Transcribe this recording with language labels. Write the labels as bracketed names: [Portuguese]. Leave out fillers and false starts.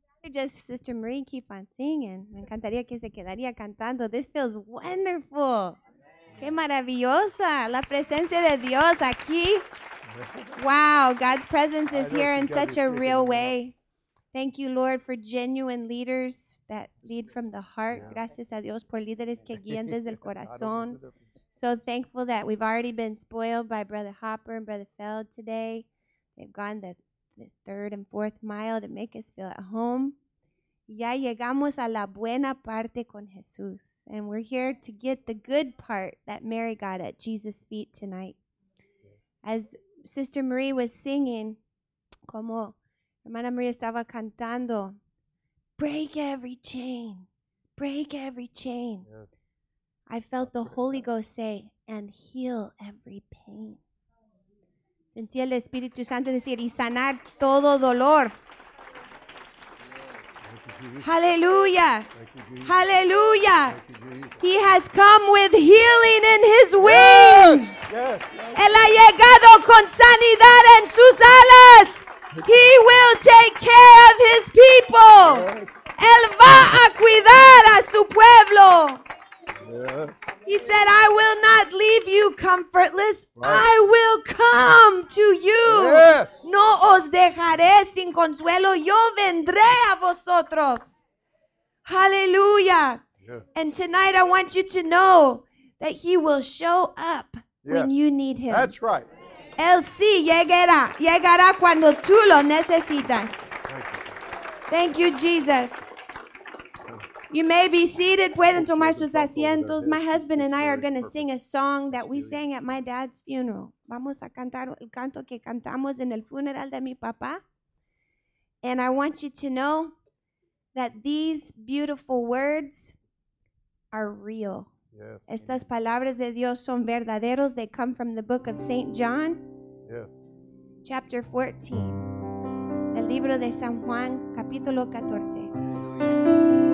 [English] Just Sister Marie keep on singing. [Spanish] Me encantaría que se quedaría cantando. [English] This feels wonderful. Amen. [Spanish] Qué maravillosa. La presencia de Dios aquí. [English] Wow, God's presence is here in such a real way. Thank you, Lord, for genuine leaders that lead from the heart. Yeah. [Spanish] Gracias a Dios por líderes que guían desde el corazón. [English] So thankful that we've already been spoiled by Brother Hopper and Brother Feld today. They've gone the third and fourth mile to make us feel at home. [Spanish] Ya llegamos a la buena parte con Jesús. [English] And we're here to get the good part that Mary got at Jesus' feet tonight. As Sister Marie was singing, [Spanish] como Hermana Maria estaba cantando, [English] break every chain, break every chain. Yes. I felt the Holy Ghost say, and heal every pain. [Spanish] Sentí el Espíritu Santo decir, y sanar todo dolor. [English] Hallelujah. Hallelujah. He has come with healing in his wings. [Spanish] Él ha llegado con sanidad en sus alas. [English] He will take care of his people. [Spanish] Él va a cuidar a su pueblo. [English] He said, I will not leave you comfortless. I will come to you. [Spanish] No os dejaré sin consuelo. Yo vendré a vosotros. [English] Hallelujah. Yeah. And tonight I want you to know that he will show up when you need him. That's right. [Spanish] Él sí llegará. Llegará cuando tú lo necesitas. [English] Thank you, Jesus. You may be seated. [Spanish] Pueden tomar sus asientos. [English] My husband and I are going to sing a song that we sang at my dad's funeral. [Spanish] Vamos a cantar el canto que cantamos en el funeral de mi papá. [English] And I want you to know that these beautiful words are real. Yeah. [Spanish] Estas palabras de Dios son verdaderos. [English] They come from the book of St. John, chapter 14. [Spanish] El libro de San Juan, capítulo 14.